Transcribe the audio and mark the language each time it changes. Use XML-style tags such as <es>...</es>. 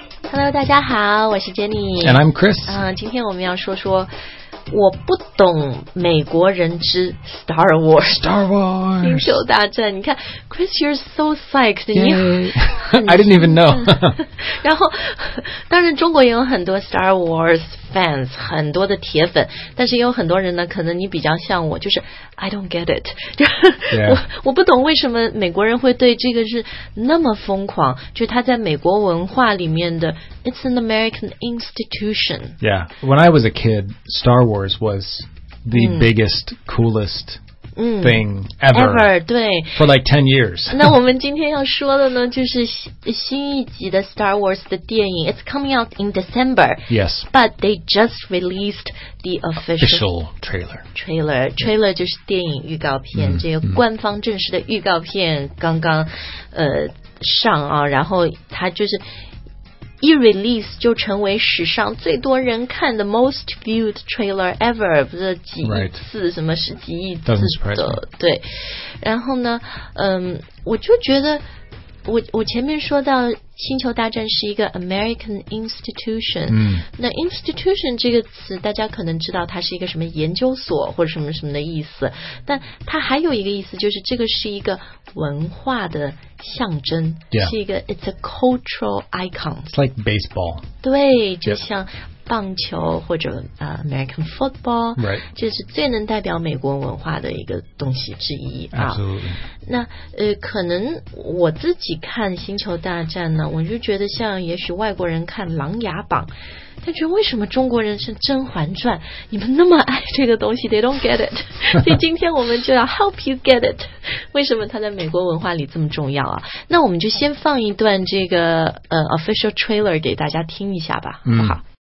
<zh>Hello， 大家好，我是 Jenny。</zh> <en>And I'm Chris。</en> <zh>今天我们要说说我不懂美国人之 Star Wars。</zh> <en>Star Wars。</en> <zh>星球大战，你看 ，Chris，</zh> <en>you're so psyched。 Yay. I didn't even know 。</en> <zh>然后，当然中国也有很多 Star Wars fans， 很多的铁粉，但是也有很多人呢，可能你比较像我，就是</zh> <en>I don't get it。 Yeah.</en> <zh>我不懂为什么美国人会对这个是那么疯狂，就是他在美国文化里面的</zh> <en>It's an American institution。 Yeah, when I was a kid, Star Wars was the biggest, coolest. Thing ever,</en> <zh>对</zh> <en>for like 10 years.</en> <zh>那我们今天要说的呢，就是新一集的 Star Wars 的电影</zh> <en>It's coming out in December. Yes, but they just released the official trailer.</en> <zh>Trailer 就是电影预告片，这个官方正式的预告片刚刚上啊，然后它就是。一 release 就成为史上最多人看的</zh> <en>most viewed trailer ever</en> <zh>不是几亿次、</zh> <en>right.</en> <zh>什么十几亿次的对然后呢我就觉得我前面说到星球大战是一个 American institution、那 institution 这个词大家可能知道它是一个什么研究所或者什么什么的意思但它还有一个意思就是这个是一个文化的象征、</zh> <en>yeah.</en> <zh>是一个</zh> <en>it's a cultural icon it's like baseball</en> <zh>对就像棒球或者、American football、</zh> <en>right.</en> <zh>这是最能代表美国文化的一个东西之一、</zh> <en>Absolutely.</en> <zh>那可能我自己看星球大战呢我就觉得像也许外国人看琅琊榜但觉得为什么中国人是《甄嬛传》你们那么爱这个东西</zh> <en>They don't get it</en> <zh>所以今天我们就要</zh> <en>help you get it</en> <zh>为什么它在美国文化里这么重要啊那我们就先放一段这个official trailer 给大家听一下吧、好不好</zh>